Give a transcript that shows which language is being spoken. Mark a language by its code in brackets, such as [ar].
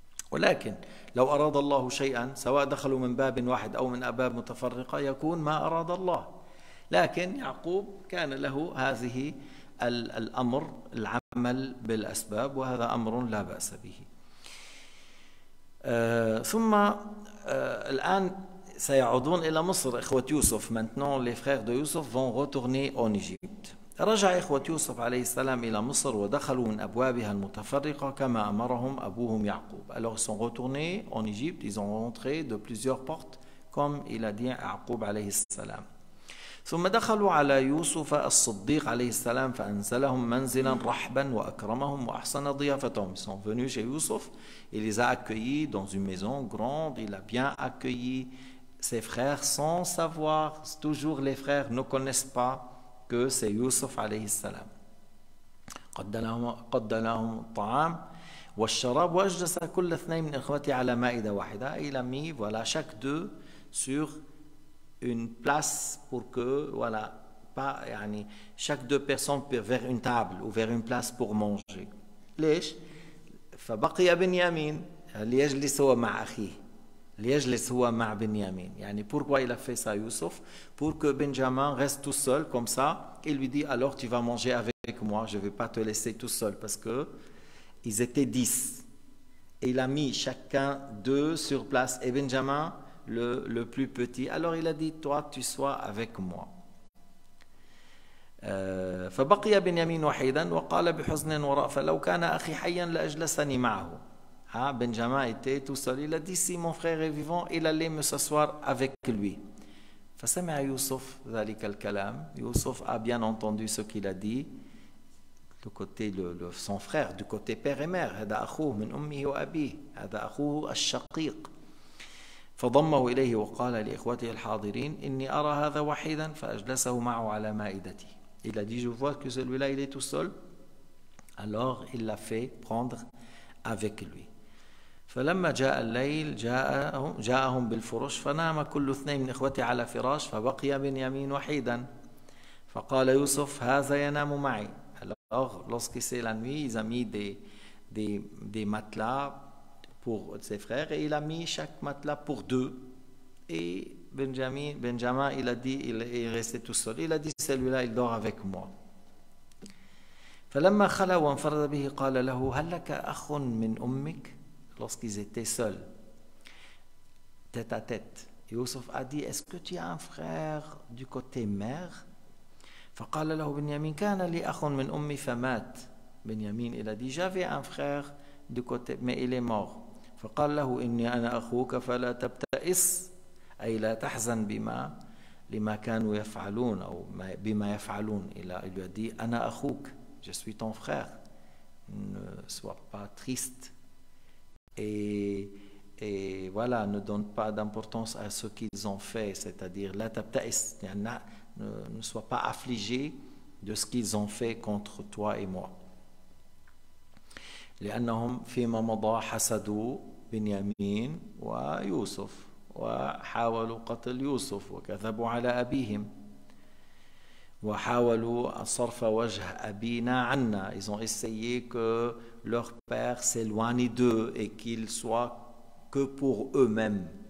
[ar] ولكن لو أراد الله شيئا، سواء دخلوا من باب واحد أو من أبواب متفرقة، يكون ما أراد الله. لكن يعقوب كان له هذه الأمر، العمل بالأسباب، وهذا أمر لا بأس به. ثم الآن سيعودون إلى مصر إخوة يوسف. [fr] Maintenant les frères de Youssef vont retourner en Égypte. [ar] رجع إخوة يوسف عليه السلام إلى مصر ودخلوا من أبوابها المتفرقة كما أمرهم أبوهم يعقوب. [fr] Alors ils sont retournés en Égypte. Ils ont rentré de plusieurs portes comme il a dit يعقوب عليه السلام. [ar] ثم دخلوا على يوسف الصديق عليه السلام فأنزلهم منزلا رحبا وأكرمهم وأحسن ضيافتهم. [fr] Ils sont venus chez Youssef. Il les a accueillis dans une maison grande. Il a bien accueilli ses frères sans savoir. Toujours les frères ne connaissent pas que c'est Youssef عليه السلام. [ar] قد لهم الطعام والشراب وأجلس كل اثنين من إخوتي على مائدة واحدة. [fr] Il a mis voilà chaque deux sur une place pour que voilà pas يعني chaque deux personnes vers une table ou vers une place pour manger. [ar] ليش؟ فبقي بنيامين ليجلس هو مع أخيه، ليجلس هو مع بنيامين. [fr] يعني pourquoi il a fait ça Youssef؟ Pour que Benjamin reste tout seul comme ça. Il lui dit alors tu vas manger avec moi, je vais pas te laisser tout seul. Parce que ils étaient 10 et il a mis chacun deux sur place et Benjamin le plus petit. Alors il a dit toi tu sois avec moi. [ar] فبقي بنيامين وحيدا وقال بحزن ورأفة لو كان أخي حيا لأجلسني معه. [fr] بنجامين était tout seul. Il a dit si mon frère est vivant il allait me s'asseoir avec lui. [ar] فسمع يوسف ذلك الكلام. [fr] يوسف a bien entendu ce qu'il a dit du côté son frère, du côté père et mère. [ar] هذا أخوه من أمه وأبيه، هذا أخوه الشقيق. فضمه إليه وقال لإخوته الحاضرين إني أرى هذا وحيدا فأجلسه معه على مائدتي. [fr] Il a dit je vois que celui-là il est tout seul. Alors il l'a fait prendre avec lui. [ar] فلما جاء الليل جاءهم بالفرش فنام كل اثنين من إخوتي على فراش فبقي بنيامين وحيدا. فقال يوسف هذا ينام معي. [fr] Alors lorsque c'est la nuit ils ont mis des matelas pour ses frères et il a mis chaque matelas pour deux. Et Benjamin il a dit il est resté tout seul. Il a dit celui-là il dort avec moi. [ar] فلما خلا وانفرد به قال له هل لك أخ من أمك؟ [fr] Lorsqu'ils étaient seuls tête à tête, Youssef a dit est-ce que tu as un frère du côté mère؟ [ar] فقال له بنيامين كان لي أخ من أمي فمات. [fr] بنيامين il a dit j'avais un frère du côté mais il est mort. [ar] فقال له إني أنا أخوك فلا تبتئس، أي لا تحزن بما لما كانوا يفعلون أو بما يفعلون. إلى الودي أنا أخوك. [fr] Je suis ton frère. Ne sois pas triste. Et voilà, ne donne pas d'importance à ce qu'ils ont fait. C'est-à-dire [ar] لا تبتئس. [fr] Ne sois pas affligé de ce qu'ils ont fait contre toi et moi. [ar] لأنهم فيما مضى حسدوا بنيامين ويوسف وحاولوا قتل يوسف وكذبوا على أبيهم وحاولوا صرف وجه أبينا عنا. [fr] Ils ont essayé que leur père s'éloigne d'eux et qu'il soit que pour eux-mêmes.